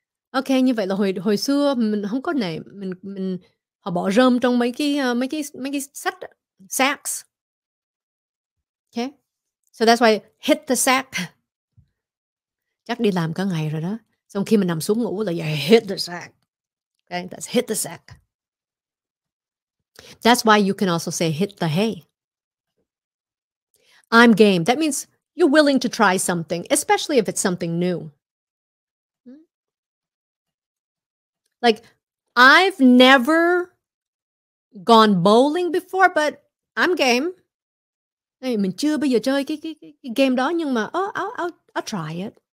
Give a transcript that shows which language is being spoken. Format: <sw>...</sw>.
<vi>Okay, như vậy là hồi xưa mình không có này, mình họ bỏ rơm trong mấy cái sách đó.</vi> <en>Sacks. Okay. So that's why hit the sack.</en> <vi>Chắc đi làm cả ngày rồi đó. Xong khi mình nằm xuống ngủ là</vi> <en>yeah, hit the sack. Okay, that's hit the sack. That's why you can also say hit the hay. I'm game. That means you're willing to try something, especially if it's something new. Like, I've never gone bowling before, but I'm game.</en> <vi>Hey, mình chưa bao giờ chơi cái game đó, nhưng mà</vi> <en>I'll try it.</en>